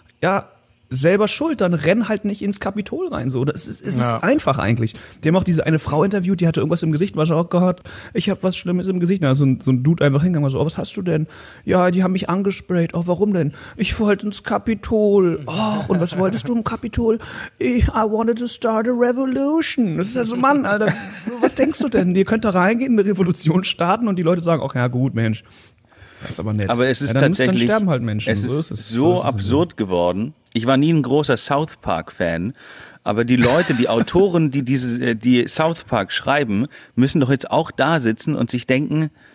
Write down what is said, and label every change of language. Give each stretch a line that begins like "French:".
German: Ja, selber schuld, dann renn halt nicht ins Kapitol rein. So, das ist einfach eigentlich. Die haben auch diese eine Frau interviewt, die hatte irgendwas im Gesicht und war so, oh Gott, ich habe was Schlimmes im Gesicht. Da ist so ein Dude einfach hingegangen und war so, oh, was hast du denn? Ja, die haben mich angesprayt. Oh, warum denn? Ich wollte ins Kapitol. Oh, und was wolltest du im Kapitol?
English: I wanted to start a revolution.
German: Das ist ja so, Mann, Alter, so, was denkst du denn? Ihr könnt da reingehen, eine Revolution starten und die Leute sagen, ach ja, gut, Mensch. Das ist aber nett. Aber es ist ja, tatsächlich, dann sterben halt Menschen. Es ist so absurd geworden. Ich war nie ein großer South Park-Fan, aber die Leute, die Autoren, die South Park schreiben, müssen doch jetzt auch da sitzen und sich denken,